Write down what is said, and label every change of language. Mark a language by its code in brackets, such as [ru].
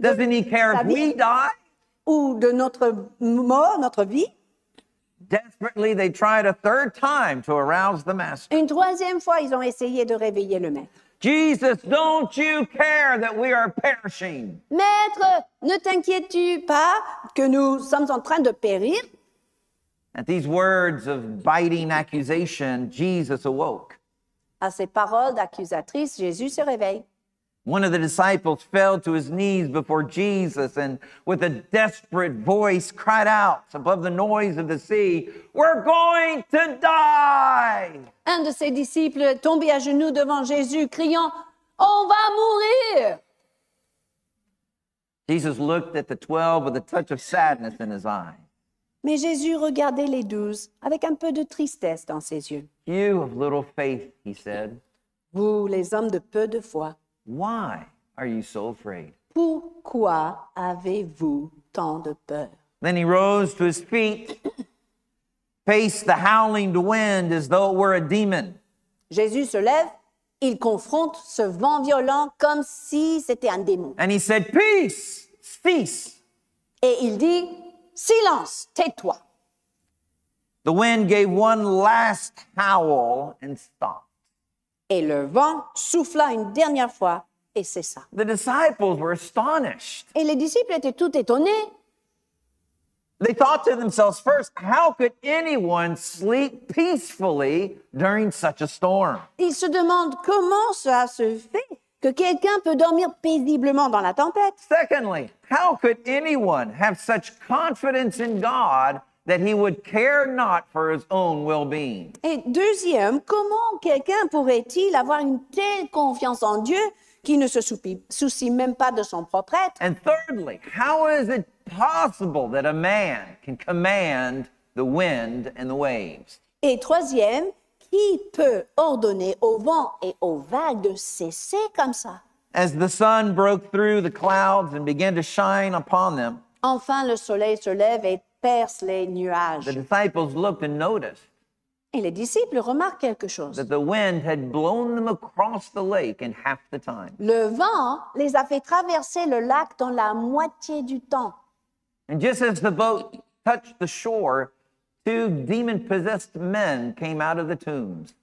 [en] Doesn't he care if we die? [fr] Ou de notre mort, notre vie? [en] Desperately, they tried a third time to arouse the master. [fr] Une troisième fois, ils ont essayé de réveiller le maître. [en] Jesus, don't you care that we are perishing? [fr] Maître, ne t'inquiètes-tu pas que nous sommes en train de périr? [en] At these words of biting accusation, Jesus awoke. [fr] À ces paroles d'accusatrice, Jésus se réveille. [en] One of the disciples fell to his knees before Jesus and with a desperate voice cried out above the noise of the sea, "We're going to die!" [fr] Un de ses disciples tombé à genoux devant Jésus criant, "On va mourir!" [en] Jesus looked at the 12 with a touch of sadness in his eyes. [fr] Mais Jésus regardait les 12 avec un peu de tristesse dans ses yeux. [en] "You of little faith," he said. [fr] Vous les hommes de peu de foi. [en] Why are you so afraid? [fr] Pourquoi avez-vous tant de peur? [en] Then he rose to his feet, faced the howling wind as though it were a demon. [fr] Jésus se lève, il confronte ce vent violent comme si c'était un démon. [en] And he said, "Peace, cease." [fr] Et il dit, silence, tais-toi. [en] The wind gave one last howl and stopped. [fr] Et le vent souffla une dernière fois, et c'est ça. [en] The disciples were astonished. [fr] Et les disciples étaient tout étonnés. [en] They thought to themselves first, how could anyone sleep peacefully during such a storm? [fr] Ils se demandent comment cela se fait que quelqu'un peut dormir paisiblement dans la tempête. [en] Secondly, how could anyone have such confidence in God that he would care not for his own well-being? [fr] Et deuxième, comment quelqu'un pourrait-il avoir une telle confiance en Dieu qu'il ne se soucie même pas de son propre être? [en] And thirdly, how is it possible that a man can command the wind and the waves? [fr] Et troisième, qui peut ordonner au vent et aux vagues de cesser comme ça? [en] As the sun broke through the clouds and began to shine upon them, [fr] enfin le soleil se lève et perce les nuages. [en] The disciples looked and noticed. [fr] Et les disciples remarquent quelque chose. [en] That the wind had blown them across the lake in half the time. [fr] Le vent les a fait traverser le lac dans la moitié du temps. [en] And just as the boat touched the shore, two demon-possessed men came out of the tombs.